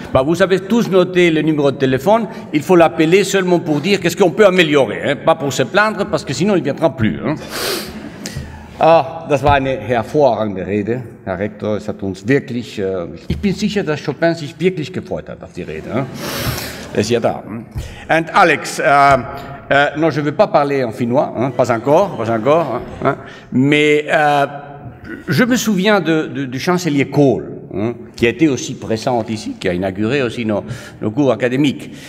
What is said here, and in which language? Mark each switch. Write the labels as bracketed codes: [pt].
[fr] Ben, vous avez tous noté le numéro de téléphone. Il faut l'appeler seulement pour dire qu'est-ce qu'on peut améliorer. Hein? Pas pour se plaindre, parce que sinon, il ne viendra plus. Hein? [de] Ah, das war eine hervorragende Rede, Herr Rektor. Es hat uns wirklich. Ich bin sicher, dass Chopin sich wirklich gefreut hat auf die Rede. Hein? Ist ja da. [fr] Und Alex, non, je ne veux pas parler en finnois, hein? pas encore. Hein? Mais je me souviens du chancelier Kohl, hein? Qui a été aussi présent ici, qui a inauguré aussi nos cours académiques.